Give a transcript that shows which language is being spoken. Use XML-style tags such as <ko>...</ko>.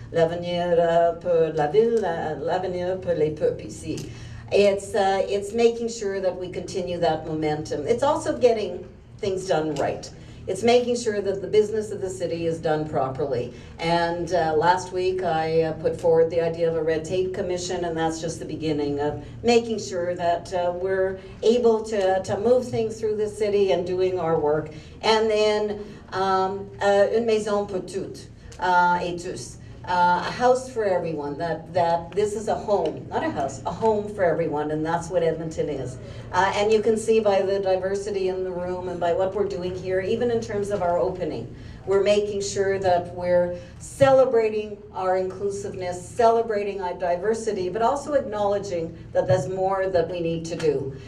<fr>L'avenir pour la ville. L'avenir pour les peuples ici.</fr> <en>It's making sure that we continue that momentum. It's also getting things done right. It's making sure that the business of the city is done properly. And last week, I put forward the idea of a red tape commission, and that's just the beginning of making sure that we're able to move things through the city and doing our work. And then,</en> <fr>une maison pour toutes et tous.</fr> <en>A house for everyone, that this is a home, not a house, a home for everyone, and that's what Edmonton is. And you can see by the diversity in the room and by what we're doing here, even in terms of our opening, we're making sure that we're celebrating our inclusiveness, celebrating our diversity, but also acknowledging that there's more that we need to do.</en>